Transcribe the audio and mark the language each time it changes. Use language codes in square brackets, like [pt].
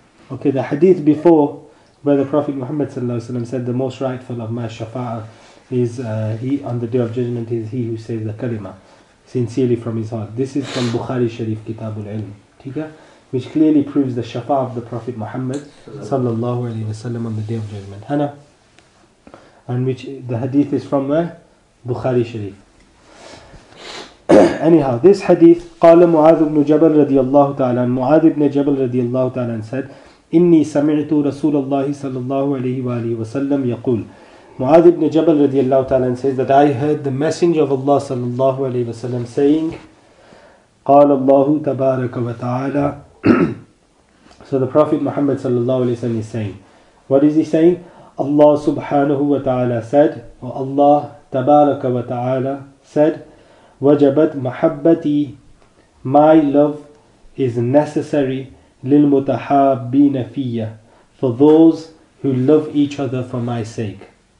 [en] Okay, the hadith before where the Prophet Muhammad sallallahu alayhi wa sallam said the most rightful of my shafa'a is he on the Day of Judgment is he who says the kalima sincerely from his heart. This is from Bukhari Sharif Kitabul Ilm, which clearly proves the shafa'a of the Prophet Muhammad sallallahu alayhi wa sallam on the Day of Judgment. Hana? And which the hadith is from where? Bukhari Sharif. Anyhow, this hadith, [ar] قَالَ مُعَاذُ بْنُ جَبَلْ رَضِيَ اللَّهُ تَعَالَى مُعَاذُ بْنَ جَبَلْ رَضِيَ اللَّهُ تَعَالَى [en] said, [ar] إِنِّي سَمِعْتُ رَسُولَ اللَّهِ صَلَى اللَّهُ عَلَيْهِ وَآلِهِ وَسَلَّمْ يَقُولُ. [en] Mu'adh ibn Jabal radiallahu ta'ala says that I heard the Messenger of Allah sallallahu alayhi wa sallam saying, [ar] قَالَ اللَّهُ تَبَارَكَ وَتَعَالَى. [en] So the Prophet Muhammad sallallahu alayhi wa sallam is saying, what is he saying? Allah subhanahu wa ta'ala said, or Allah tabaraka wa ta'ala said, [ar] وَجَبَتْ مَحَبَّتِي, [en] my love is necessary, [ar] لِلْمُتَحَابِينَ فِيَّ, [en] for those who love each other for my sake.